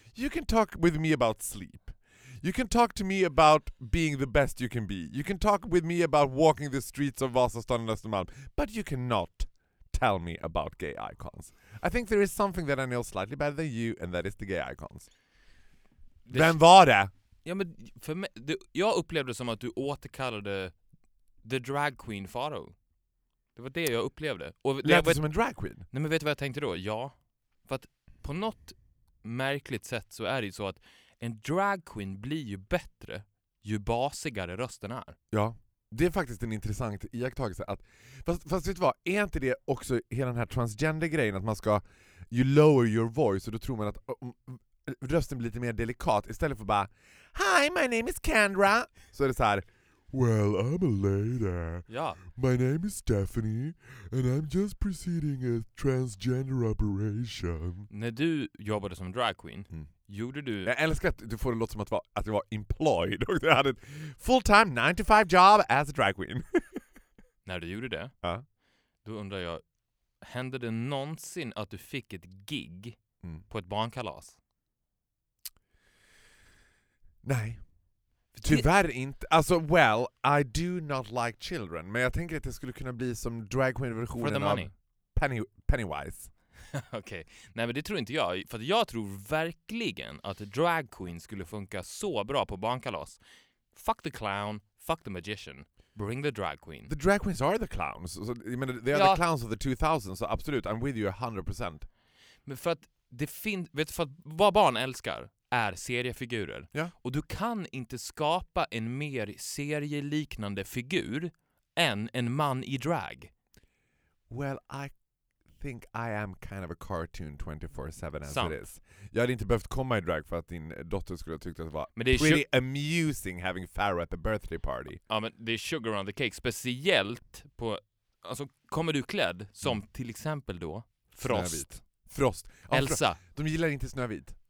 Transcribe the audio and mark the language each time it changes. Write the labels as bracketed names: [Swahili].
[English] You can talk with me about sleep. You can talk to me about being the best you can be. You can talk with me about walking the streets of Vasastan and Östermalm. But you cannot tell me about gay icons. I think there is something that I know slightly better than you, and that is the gay icons. [Swedish] Vem var det? Ja, men för mig, jag upplevde som att du återkallade the drag queen Faro. Det var det jag upplevde. Lät som en drag queen? Nej, men vet du vad jag tänkte då? Ja. För att på något märkligt sätt så är det ju så att en drag queen blir ju bättre ju basigare rösten är. Ja, det är faktiskt en intressant iakttagelse. Att, fast vet du vad, är inte det också hela den här transgender-grejen att man ska, you lower your voice och då tror man att rösten blir lite mer delikat istället för bara hi, my name is Kendra. Så är det så här, well, I'm a lady. Ja. [English] My name is Stephanie and I'm just preceding a transgender operation. [Swedish] När du jobbade som drag queen, gjorde du... Jag älskar att du får det låta som att jag var employed och jag hade ett full-time 9-to-5 job as a drag queen. När du gjorde det, då undrar jag, hände det någonsin att du fick ett gig på ett barnkalas? Nej. Tyvärr inte. [English] Alltså, well, I do not like children. [Swedish] Men jag tänker att det skulle kunna bli som drag queen-versionen av Pennywise. Okej. Okay. Nej, men det tror inte jag. För att jag tror verkligen att drag queen skulle funka så bra på barnkalas. [English] Fuck the clown, fuck the magician. Bring the drag queen. The drag queens are the clowns. So, I mean, they are the clowns of the 2000s. So absolut, I'm with you 100%. [Swedish] Men för att det finns... Vet du, för att vad barn älskar... är seriefigurer. Ja. Och du kan inte skapa en mer serieliknande figur än en man i drag. [English] Well, I think I am kind of a cartoon 24/7 as [Swedish] Sant. [English] It is. [Swedish] Jag hade inte behövt komma i drag för att din dotter skulle ha tyckt att det var pretty amusing having Farrah at the birthday party. Ja, men det är sugar on the cake. Speciellt på... Alltså, kommer du klädd som till exempel då Frost? Snövit. Frost. Ja, Elsa. De gillar inte Snövit.